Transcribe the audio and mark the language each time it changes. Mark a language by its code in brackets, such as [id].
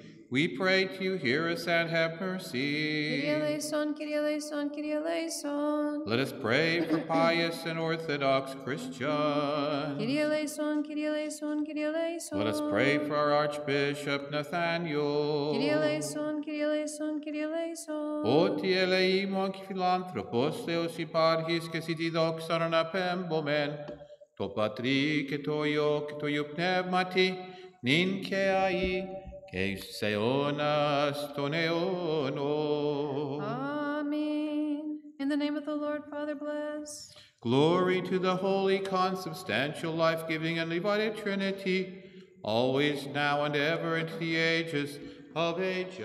[en] We pray to you, hear us and have mercy. [el] Kyrie eleison, Kyrie eleison, Kyrie eleison. [en] Let us pray for pious and orthodox Christians. [el] Kyrie eleison, Kyrie eleison, Kyrie eleison. [en] Let us pray for our Archbishop Nathaniel. [el] Kyrie eleison, Kyrie eleison, Kyrie eleison. Ότι ελεήμων και φιλάνθρωπος Θεός υπάρχεις και εσύ τη δόξαν αναπέμπωμεν, το Πατρί και το Υιό και το Υιού Πνεύματι, νυν και αεί, και εις αιώνας των αιώνων. [en] Amen. In the name of the Lord, Father, bless. Glory to the holy, consubstantial, life-giving, and divided Trinity, always, now, and ever, into the ages of ages.